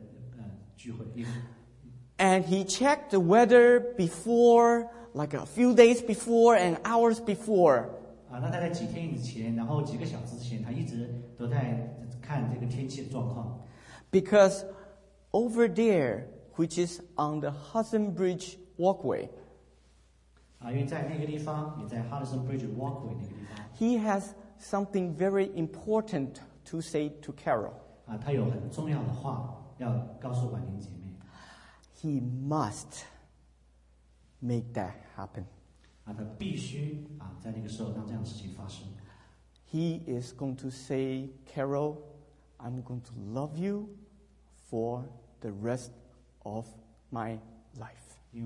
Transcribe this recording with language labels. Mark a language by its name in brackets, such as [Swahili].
[Chinese] 他也告诉了很多的朋友，所有的朋友，告诉他们说去参加这样的一个聚会。 [English] And he checked the weather before, like a few days before and hours before. [Chinese] 那他在几天以前，然后几个小时之前，他一直都在看这个天气的状况。 [English] Because over there, which is on the Hudson Bridge Walkway, [Chinese] 因为在那个地方，也在Hudson Bridge Walkway那个地方， [English] he has something very important to say to Carol. [Chinese] 他有很重要的话要告诉婉玲姐妹。 [English] He must make that happen. [Chinese] 他必须在那个时候让这样的事情发生。 [English] He is going to say, Carol, I'm going to love you for the rest of my life.